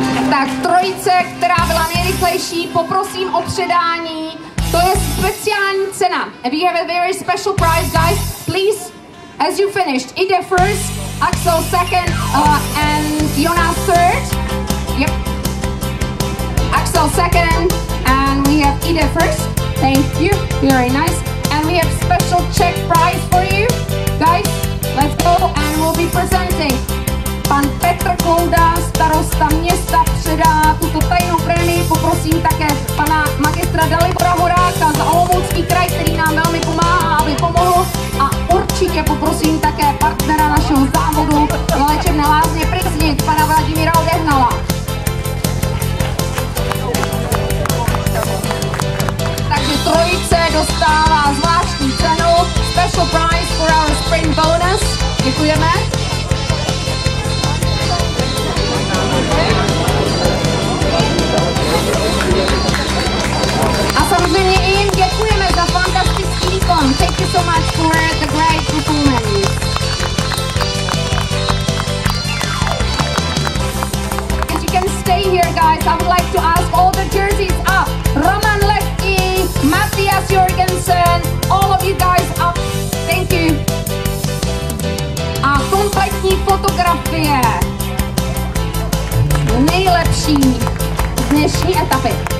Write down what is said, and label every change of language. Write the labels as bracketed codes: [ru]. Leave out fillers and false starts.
[cs] Tak trojice, která byla nejrychlejší, poprosím o předání. To je speciální cena. [en] We have a very special prize, guys. Please, as you finished, Ide first, Axel second, and Jonas third. Yep. Axel second, and we have Ide first. Thank you, very nice. And we have special Czech prize for you. Guys, let's go, and we'll be presenting. [cs] Pan Petr Kolda, starosta města, předá tuto tajnou prémii. Poprosím také pana magistra Dalibora Horáka za Olomoucký kraj, který nám velmi pomáhá, aby pomohl. A určitě poprosím také partnera našeho závodu na léčebné lázně Prysnic, pana Vladimíra Odehnala. Takže trojice dostává zvláštní cenu, [en] special prize for our sprint bonus. [cs] Děkujeme. A samozřejmě i jim děkujeme za fantastický výkon. [en] Thank you so much for the great performance. And you can stay here, guys. I would like to ask all the jerseys up. Roman Lechty, Matthias Jorgensen, all of you guys up. Thank you. [cs] A kompletní fotografie. Nejlepší dnešní etapy.